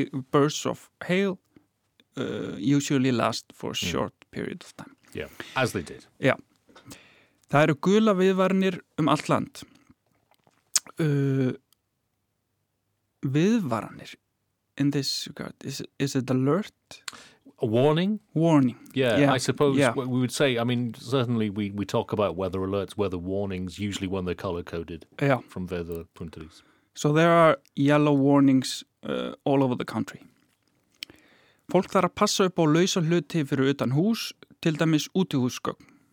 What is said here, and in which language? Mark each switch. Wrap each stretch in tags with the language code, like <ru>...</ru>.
<en>Bursts of hail usually last for a short period of time. Yeah, as they did. Yeah.</en> <is>Það gula viðvarnir allt land.</is> <en>Viðvarnir in this regard, is it alert? A warning? Warning. Yeah, I suppose we would say, I mean, certainly we talk about weather alerts, weather warnings, usually when they're color-coded from weather point of view. So there are yellow warnings all over the country.</en> <is>Fólk þarf að passa upp á lausa hluti fyrir utan hús, til dæmis útihúsgögn.</is>